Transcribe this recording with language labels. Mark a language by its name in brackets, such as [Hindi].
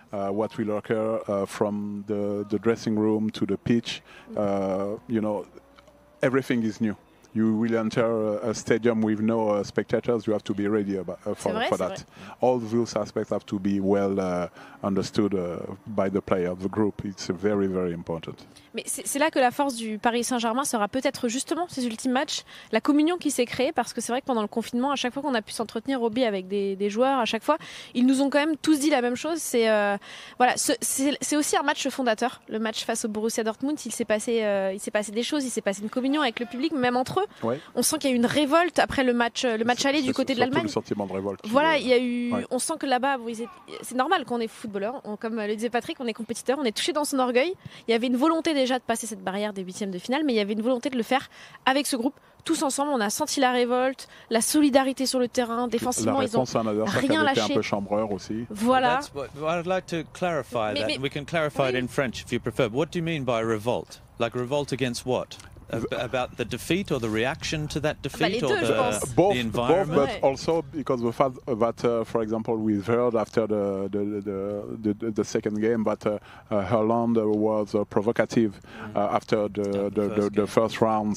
[English] what will occur from the dressing room to the pitch. You know, everything is new. You will enter a stadium with no spectators. You have to be ready for that. [French] Vrai. [English] All those aspects have to be well understood by the player, the group. It's very, very important. [French] Mais c'est là que la force du Paris Saint-Germain sera peut-être justement ces ultimes matchs, la communion qui s'est créée, parce que c'est vrai que pendant le confinement, à chaque fois qu'on a pu s'entretenir, Roby, avec des joueurs, à chaque fois, ils nous ont quand même tous dit la même chose. C'est aussi un match fondateur, le match face au Borussia Dortmund. Il s'est passé des choses, il s'est passé une communion avec le public, même entre eux. Ouais. On sent qu'il y a eu une révolte après le match aller du côté de l'Allemagne. C'est le sentiment de révolte. Voilà, il y a eu. Ouais. On sent que là-bas, bon, c'est normal qu'on est footballeur. Comme le disait Patrick, on est compétiteur, on est touché dans son orgueil. Il y avait une volonté déjà de passer cette barrière des huitièmes de finale, mais il y avait une volonté de le faire avec ce groupe, tous ensemble. On a senti la révolte, la solidarité sur le terrain, défensivement, ils ont rien lâché. La réponse à un adversaire un peu chambreur aussi. Voilà. [English] I'd like to clarify that. We can clarify it in French if you prefer. What do you mean by revolt? Like revolt against what? About the defeat or the reaction to that defeat or the environment? Both, but also because the fact that, for example, we've heard after the second game that Haaland was provocative after the first round.